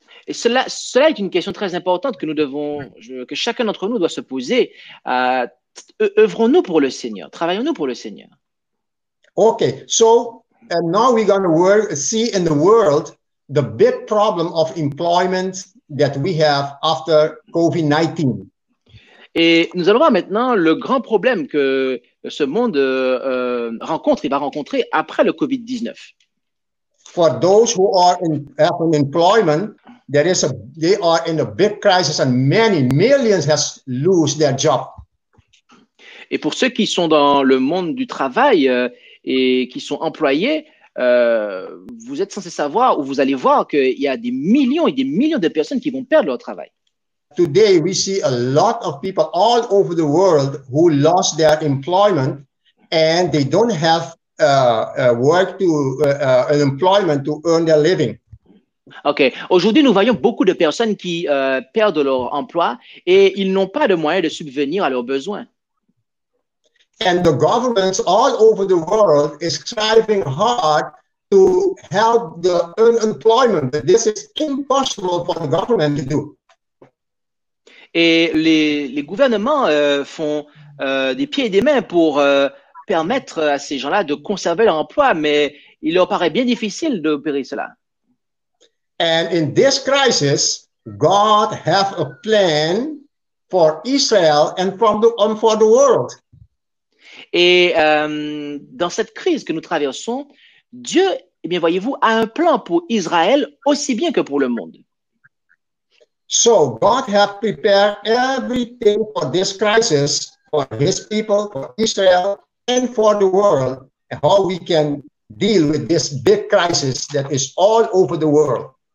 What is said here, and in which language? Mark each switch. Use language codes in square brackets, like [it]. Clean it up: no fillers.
[fr] Cela est une question très importante que nous devons, que chacun d'entre nous doit se poser. Œuvrons-nous pour le Seigneur? Travaillons-nous pour le Seigneur? [en] Okay, so and now we're going to see in the world the big problem of employment that we have after COVID-19. [fr] Et nous allons voir maintenant le grand problème que ce monde rencontre et va rencontrer après le COVID-19. [en] For those who are in have an employment, they are in a big crisis, and many millions has lose their job. [fr] Et pour ceux qui sont dans le monde du travail, et qui sont employés, vous êtes censé savoir ou vous allez voir qu'il y a des millions et des millions de personnes qui vont perdre leur travail. [en] Today, we see a lot of people all over the world who lost their employment and they don't have work to an employment to earn their living. Okay. [fr] Aujourd'hui, nous voyons beaucoup de personnes qui perdent leur emploi et ils n'ont pas de moyens de subvenir à leurs besoins. [en] And the governments all over the world is striving hard to help the unemployment. This is impossible for the government to do. [fr] Et les gouvernements font des pieds et des mains pour permettre à ces gens-là de conserver leur emploi, mais il leur paraît bien difficile d'opérer cela. [en] And in this crisis, God has a plan for Israel and for the world. [fr] Et dans cette crise que nous traversons, Dieu, eh bien voyez-vous, a un plan pour Israël aussi bien que pour le monde. [en] So God has prepared everything for this crisis, for his people, for Israel, and for the world, how we can deal with this big crisis that is all over the world.